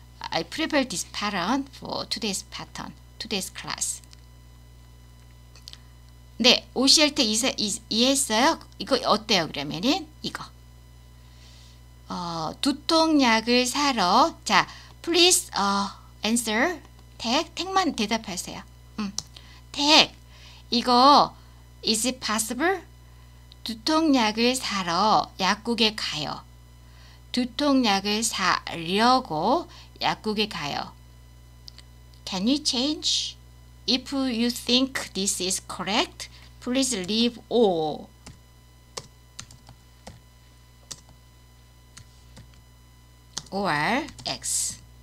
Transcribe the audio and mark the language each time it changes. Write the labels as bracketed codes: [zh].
[en] I prepared this pattern for today's pattern, today's class. [ko] 네, 오시엘 때 이해했어요? 이거 어때요, 그러면은? 이거. 어, 두통약을 사러. 자, [en] please answer. [ko] 택, 택만 대답하세요. 택, 이거 [en] is it possible? [ko] 두통약을 사러 약국에 가요. 두통약을 사려고 약국에 가요. [en] Can you change? If you think this is correct, please leave or X.